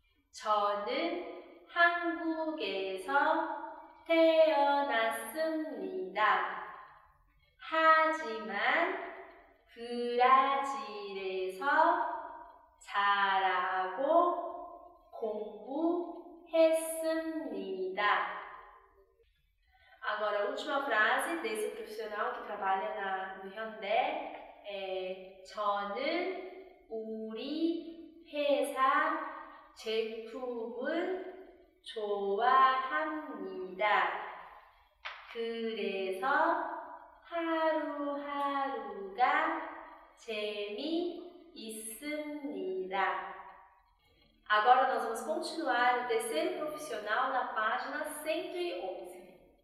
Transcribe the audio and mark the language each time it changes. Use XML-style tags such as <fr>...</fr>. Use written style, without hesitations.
<ko>저는 한국에서 태어났습니다. 하지만 브라질에서 자라고 공부했습니다.</ko> <pt>Agora, a última frase desse profissional que trabalha no Hyundai é:</pt> <ko>저는 우리 회사 제품을 좋아합니다. 그래서 하루하루가 재미있습니다.</ko> <pt>Agora nós vamos continuar o terceiro profissional na página 111.</pt>